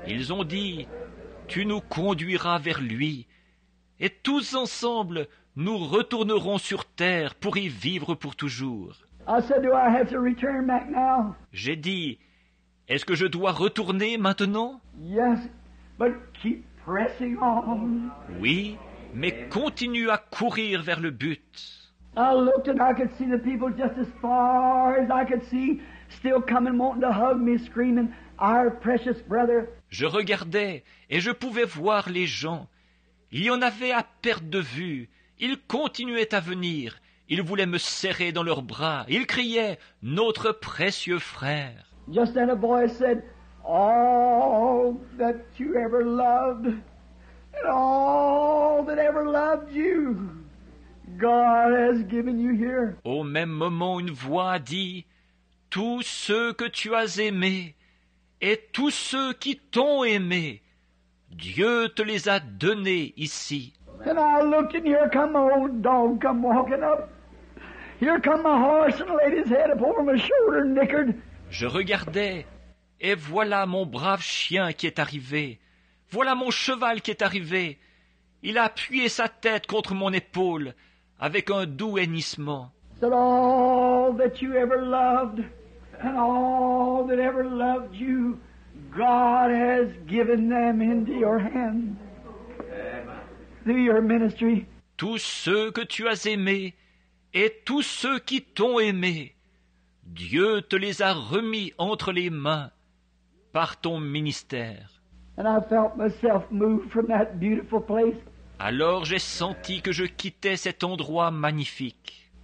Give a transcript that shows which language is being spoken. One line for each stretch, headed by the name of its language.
French: Ils ont dit, tu nous conduiras vers lui, et tous ensemble, nous retournerons sur terre pour y vivre pour toujours.
English: I said, do I have to return back now?
French: J'ai dit, est-ce que je dois retourner maintenant?
English: Yes, but keep pressing on.
French: Oui, mais continue à courir vers le but.
English: I looked and I could see the people just as far as I could see, still coming, wanting to hug me, screaming, our precious brother.
French: Je regardais et je pouvais voir les gens. Il y en avait à perte de vue. Ils continuaient à venir. Ils voulaient me serrer dans leurs bras. Ils criaient, notre précieux frère.
English: Just then a voice said, all that you ever loved, and all that ever loved you, God has given you here.
French: Au même moment, une voix dit, tous ceux que tu as aimés, et tous ceux qui t'ont aimé, Dieu te les a donnés ici.
English: And I looked and here come my old dog come walking up. Here come my horse and laid his head upon my shoulder knickered.
French: Je regardais, et voilà mon brave chien qui est arrivé. Voilà mon cheval qui est arrivé. Il a appuyé sa tête contre mon épaule avec un doux hennissement.
English: Said, all that you ever loved. And all that ever loved you, God has given them into your hand. Through your ministry.
French: Tous ceux que tu as aimés et tous ceux qui t'ont aimé, Dieu te les a remis entre les mains par ton ministère.
English: And I felt myself move from that beautiful place.
French: Alors j'ai senti que je quittais cet endroit magnifique.